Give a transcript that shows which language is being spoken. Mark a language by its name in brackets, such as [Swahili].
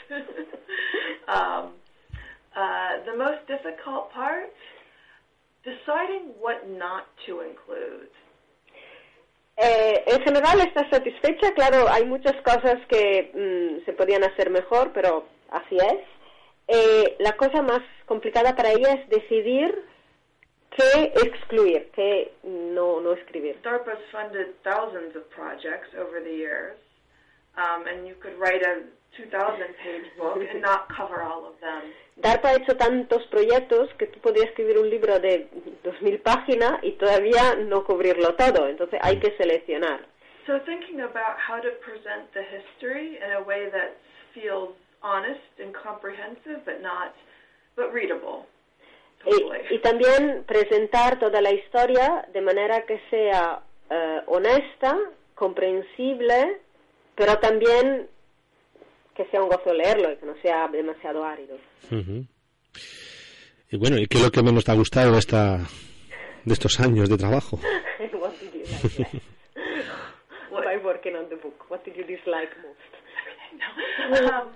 [English] The most difficult part, deciding what not to include. [Spanish] En general estás satisfecha, claro, hay muchas cosas que se podían hacer mejor, pero así es. La cosa más complicada para ella es decidir qué excluir, qué no escribir. [English] DARPA has funded thousands of projects over the years, and you could write a 2,000-page book and not cover all of them. [Spanish] DARPA ha hecho tantos proyectos que tú podrías escribir un libro de 2,000 páginas y todavía no cubrirlo todo. Entonces hay que seleccionar. [English] So thinking about how to present the history in a way that feels honest and comprehensive, but readable. Totally. [Spanish] Y también presentar toda la historia de manera que sea honesta, comprensible, pero también que sea un gozo leerlo y que no sea demasiado árido. Uh-huh. Y bueno, ¿y qué es lo que menos te ha gustado de estos años de trabajo? [English] What did you like most? By working on the book, what did you dislike most?